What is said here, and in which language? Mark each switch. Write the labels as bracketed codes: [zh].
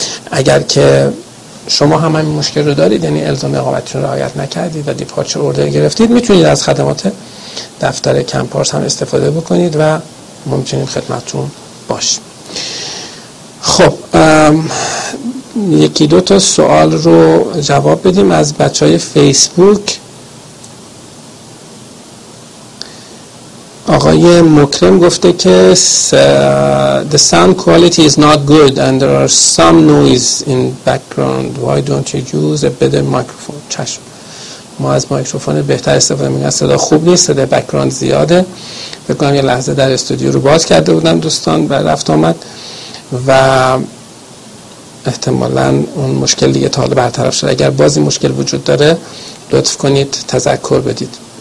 [fa] اگر که شما هم همین مشکل رو دارید، یعنی الزام رقابتتون رعایت نکردید و دیپارچر اوردر گرفتید، میتونید از خدمات دفتر کمپارس هم استفاده بکنید و ممکنه خدمتتون باشه. خب یکی دو تا سوال رو جواب بدیم از بچهای فیسبوک. آقای مکرم گفته که [en] the sound quality is not good and there are some noise in background. Why don't you use a better microphone? [fa] چشم. ما از مایکروفون بهتر استفاده می‌کنیم. صدا خوب نیست، صدا بک‌گراند زیاده. فکر کنم یه لحظه در استودیو رو باز کرده بودم دوستان و رفت آمد و احتمالاً اون مشکل دیگه تا حالا برطرف شده. اگر بازی مشکل وجود داره لطف کنید تذکر بدید.